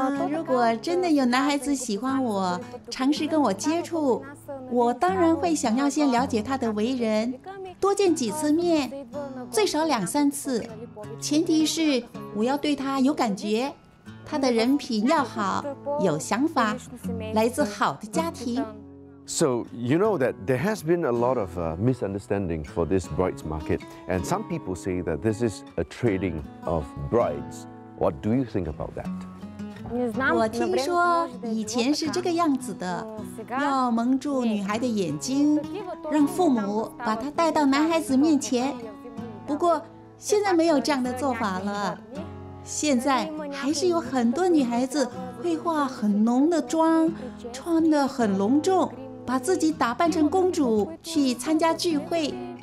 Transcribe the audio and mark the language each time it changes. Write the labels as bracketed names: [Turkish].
[Chinese] 如果真的有男孩子喜欢我，尝试跟我接触，我当然会想要先了解他的为人，多见几次面，最少两三次。前提是我要对他有感觉，他的人品要好，有想法，来自好的家庭。 [English] So you know that there has been a lot of misunderstandings for this brides market, and some people say that this is a trading of brides. What do you think about that? [Chinese] 我听说以前是这个样子的，要蒙住女孩的眼睛，让父母把她带到男孩子面前。不过现在没有这样的做法了，现在还是有很多女孩子会化很浓的妆，穿得很隆重，把自己打扮成公主去参加聚会。